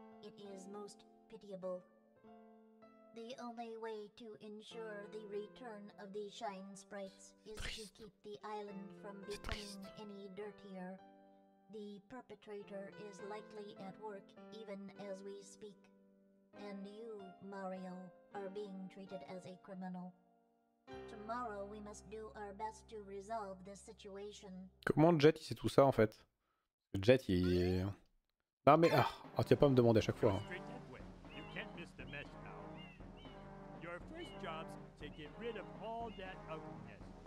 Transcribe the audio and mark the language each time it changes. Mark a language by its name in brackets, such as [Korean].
[English] It is most pitiable. The only way to ensure the return of the Shine Sprites is to keep the island from becoming any dirtier. The perpetrator is likely at work even as we speak. And you, Mario, are being treated as a criminal. Tomorrow we must do our best to resolve this situation. [French] Comment Jet il sait tout ça en fait? Jet il est... Non mais... Ah, oh, tu vas pas me demander à chaque fois. [English] You can't miss the mess now. Your first job's to get rid of all that ugliness.